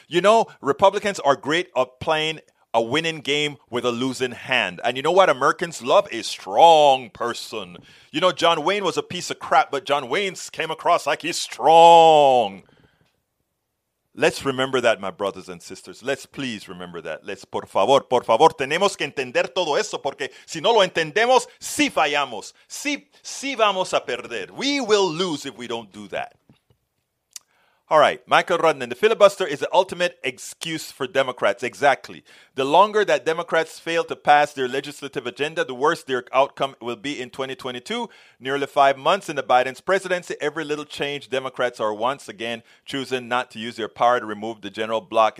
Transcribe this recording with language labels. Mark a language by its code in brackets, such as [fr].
[en] You know, Republicans are great at playing a winning game with a losing hand. And you know what Americans love? A strong person. You know, John Wayne was a piece of crap, but John Wayne came across like he's strong. Let's remember that, my brothers and sisters. Let's please remember that. [es] Let's, por favor, tenemos que entender todo eso, porque si no lo entendemos, si fallamos, si vamos a perder. [en] We will lose if we don't do that. All right, Michael Rudnan, the filibuster is the ultimate excuse for Democrats. Exactly. The longer that Democrats fail to pass their legislative agenda, the worse their outcome will be in 2022. Nearly 5 months into Biden's presidency, every little change, Democrats are once again choosing not to use their power to remove the general block.